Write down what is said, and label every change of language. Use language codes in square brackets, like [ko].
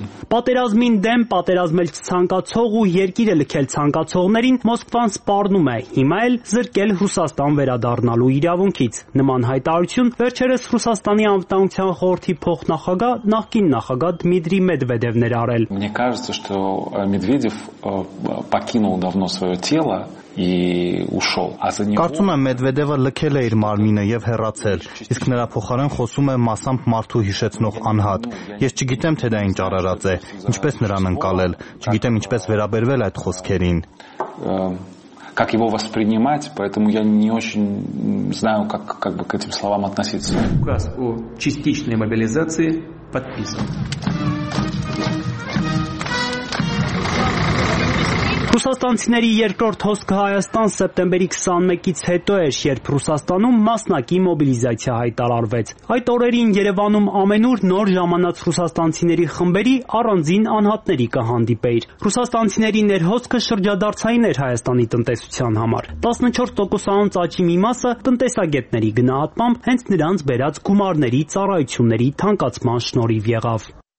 [hy] Պատերազմին դեմ պատերազմել ցանկացող ու երկիրը լքել ցանկացողներին Մոսկվան սպառնում է, հիմա էլ զրկել Ռուսաստան վերադառնալու իրավունքից։ Նման հայտարարություն վերջերս Ռուսաստանի անվտանգության խորհրդի փոխնախագահ, նախկին նախագահ Դմիտրի Медведевներ արել։ [ru] Мне кажется, что Медведев покинул давно своё тело и ушёл. [hy] Կարծում եմ Մեդվեդևը լքել է իր մարմինը եւ հեռացել, իսկ նրա փոխարեն խոսում է մասամբ մարդու հիշեցնող անհատ։ Ես չգիտեմ, թե դա ինչ արարած է, ինչպես նրան անցալել, չգիտեմ ինչպես վերաբերվել այդ խոսքերին։ [ru] Как его воспринимать, поэтому я не очень знаю, как бы к этим словам относиться. Указ о частичной мобилизации подписан. [hy] Ռուսաստանցիների երկրորդ հոսքը Հայաստան սեպտեմբերի 21-ից հետո էր, երբ Ռուսաստանում մասնակի մոբիլիզացիա հայտարարվեց։ Այդ օրերին Երևանում ամենուր նոր ժամանած ռուսաստանցիների խմբերի առանձին անհատների կհանդիպեի։ Ռուսաստանցիների ներհոսքը շրջադարձային էր Հայաստանի տնտեսության համար։ 14%-ան ծաճի մի մասը տնտեսագետների գնահատմամբ հենց նրանց բերած գումարների ծառայությունների թանկացման շնորհիվ եղավ։